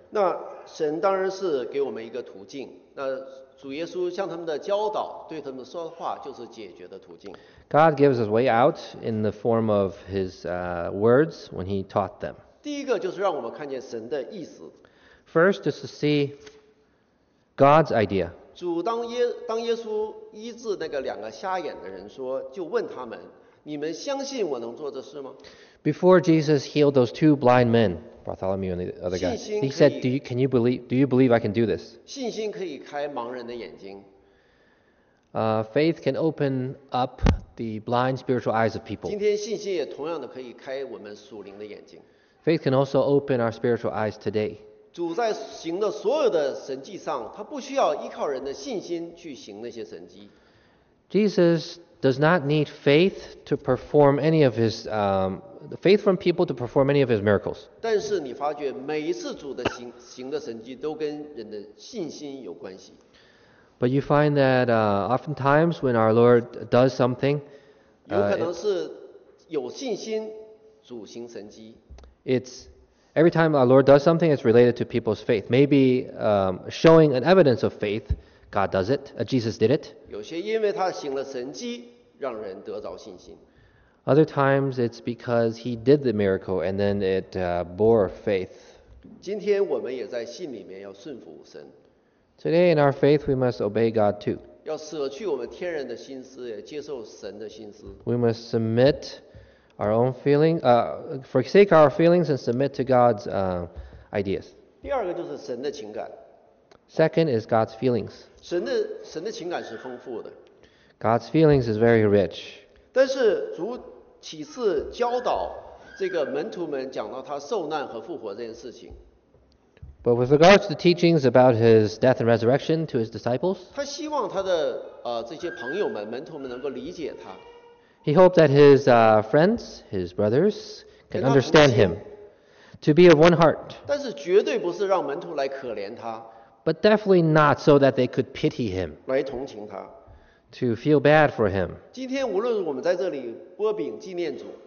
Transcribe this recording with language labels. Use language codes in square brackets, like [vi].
[zh] 那神当然是给我们一个途径。那主耶稣向他们的教导，对他们说的话，就是解决的途径。 [en] God gives us a way out in the form of his words when he taught them. [zh] 第一个就是让我们看见神的意思。 [en] First is to see God's idea. [zh] 主当耶稣医治那个两个瞎眼的人说，就问他们。你们相信我能做这事吗？ [en] Before Jesus healed those two blind men, Bartholomew and the other guy, he said, "Do you believe I can do this?" [zh] 信心可以开盲人的眼睛。 [en] Faith can open up the blind spiritual eyes of people. [zh] 今天信心也同样的可以开我们属灵的眼睛。 [en] Faith can also open our spiritual eyes today. [zh] 主在行的所有的神迹上，他不需要依靠人的信心去行那些神迹。 [en] Jesus does not need faith to perform any of his faith from people to perform any of his miracles. [zh] 但是你发觉每一次主的行的神迹都跟人的信心有关系。 [en] But you find that oftentimes when our Lord does something, [zh] 有可能是有信心主行神迹。 [en] It's every time our Lord does something, it's related to people's faith. Maybe showing an evidence of faith. God does it. Jesus did it. [zh] 有些因为他行了神迹，让人得着信心。 [en] Other times it's because he did the miracle and then it bore faith. [zh] 今天我们也在信里面要顺服神。 [en] Today in our faith we must obey God too. [zh] 要舍去我们天人的心思，也接受神的心思。 [en] We must submit our own feelings, forsake our feelings and submit to God's ideas. [zh] 第二个就是神的情感。 [en] Second is God's feelings. [zh] 神的情感是丰富的。 [en] God's feelings is very rich. [zh] 但是主几次教导这个门徒们讲到他受难和复活这件事情。 [en] But with regards to the teachings about his death and resurrection to his disciples, [zh] 他希望他的这些朋友们、门徒们能够理解他。 [en] He hoped that his friends, his brothers, can understand him, to be of one heart. [zh] 但是绝对不是让门徒来可怜他。 [en] But definitely not so that they could pity him. [zh] 来同情他。 [en] To feel bad for him. [zh] 今天无论我们在这里擘饼纪念主。